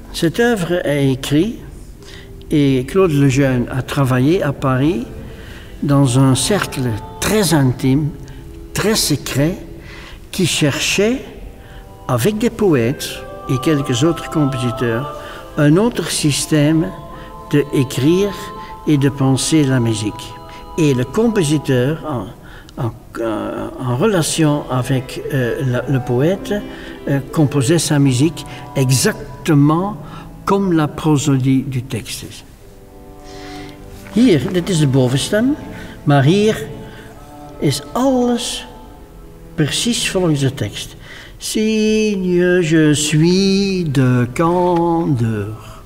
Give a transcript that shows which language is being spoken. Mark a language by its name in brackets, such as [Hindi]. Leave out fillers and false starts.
[French] Cette œuvre est écrite et Claude Lejeune a travaillé à Paris dans un cercle très intime, très secret, qui cherchait, avec des poètes et quelques autres compositeurs, un autre système d'écrire et de penser la musique. Et le compositeur, en relation avec le poète, composait sa musique exactement comme la prosodie du texte. [Dutch] Hier, dit is de bovenstem, maar hier is alles precies volgens de tekst. [French] Signe, je suis de candeur.